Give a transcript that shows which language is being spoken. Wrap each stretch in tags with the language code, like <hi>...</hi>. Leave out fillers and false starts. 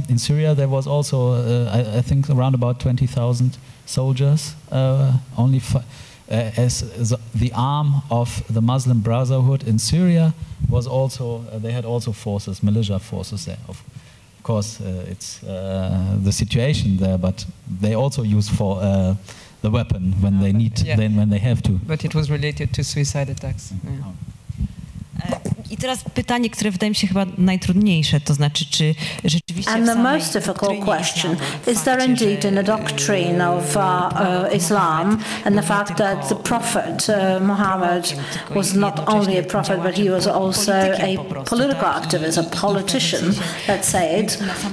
<en>In Syria, there was also I think around about 20,000 soldiers, only as the arm of the Muslim Brotherhood in Syria. Was also they had also forces, militia forces there. Of course, it's the situation there, but they also use for the weapon when they need, then when they have to. But it was related to suicide attacks. Mm-hmm. Yeah.</en> <pl>I teraz pytanie, które wydaje mi się chyba najtrudniejsze, to znaczy, czy rzeczywiście.</pl> <en>And the most difficult question is there indeed in the doctrine of Islam and the fact that the Prophet Muhammad was not only a prophet, but he was also a political activist, a politician, let's say it.</en>